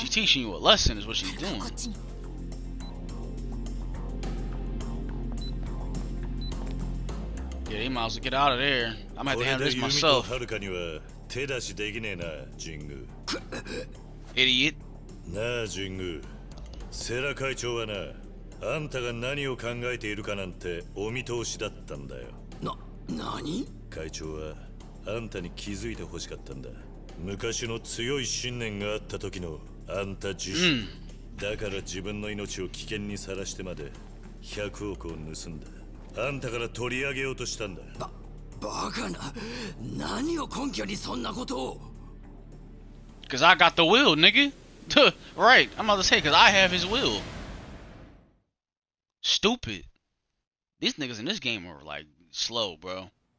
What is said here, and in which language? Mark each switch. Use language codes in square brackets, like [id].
[en] She's teaching you a lesson, is what she's doing. [ja] こっちに。 [en] Yeah, they might as well get out of there. I'm gonna have to handle this myself. [ja] これで弓と遥かには手出しできねえな、ジング。 [en] Idiot. [ja] なあジング、セラ会長はな、あんたが何を考えているかなんてお見通しだったんだよ。何？会長はあんたに気づいてほしかったんだ。昔の強い信念があった時のあんた自身、だから自分の命を危険にさらしてまで100億を盗んだ。あんたから取り上げようとしたんだ。バカな、何を根拠にそんなことを。 [en] Cause I got the will, nigga. Right, I'm about to say, because I have his will. Stupid. These niggas in this game are like slow, bro.